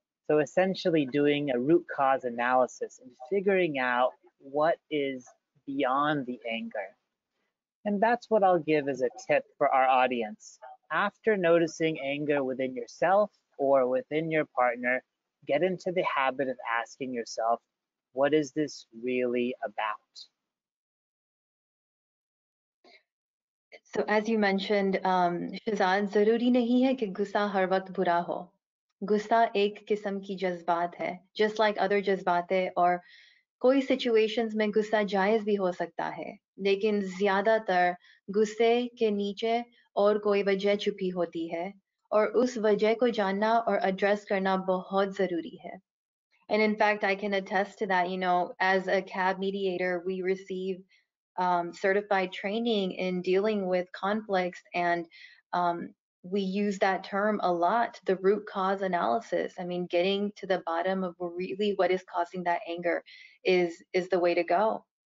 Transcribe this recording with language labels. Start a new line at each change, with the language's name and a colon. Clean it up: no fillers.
English: So essentially doing a root cause analysis and figuring out what is beyond the anger. And that's what I'll give as a tip for our audience. After noticing anger within yourself or within your partner, get into the habit of asking yourself, what is this really about? So as you mentioned,
Urdu: Shahzad، ضروری نہیں ہے کہ غصہ ہر وقت برا ہو۔ غصہ ایک قسم کی جذبات ہے۔
English: Just like other
Urdu: جذبات ہے، اور کوئی situations میں غصہ جائز بھی ہو سکتا ہے۔ لیکن زیادہ تر غصے کے نیچے اور کوئی وجہ چھپی ہوتی ہے۔ اور اس وجہ کو جاننا اور ایڈریس کرنا بہت ضروری ہے۔
English: And in fact, I can attest to that, you know, as a CAB mediator, we receive certified training in dealing with conflicts, and we use that term a lot, the root cause analysis. I mean, getting to the bottom of really what is causing that anger is the way to go.